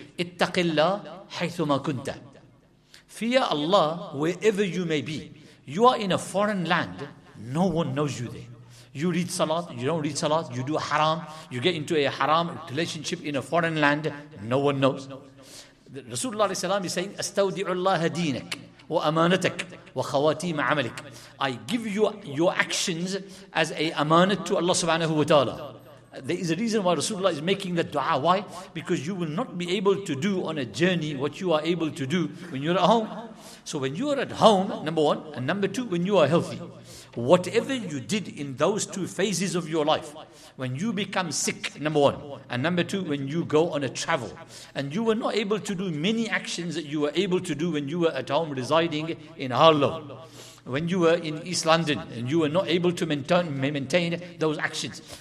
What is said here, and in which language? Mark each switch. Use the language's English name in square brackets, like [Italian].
[Arabic] Ittaqillah haythuma kunta. [English] Fear Allah wherever you may be. You are in a foreign land, no one knows you there. You read salat, you don't read salat, you do haram, you get into a haram relationship in a foreign land, no one knows. Rasulullah alayhi salam is saying, [Arabic] أَسْتَوْدِعُ اللَّهَ دِينَكَ وَأَمَانَتَكَ وَخَوَاتِيمَ عَمَلِكَ. [English] I give you your actions as a amanat to Allah subhanahu wa ta'ala. There is a reason why Rasulullah is making that dua. Why? Because you will not be able to do on a journey what you are able to do when you're at home. So when you are at home, number one, and number two, when you are healthy, whatever you did in those two phases of your life, when you become sick, number one, and number two, when you go on a travel, and you were not able to do many actions that you were able to do when you were at home residing in Harlow, when you were in East London, and you were not able to maintain those actions.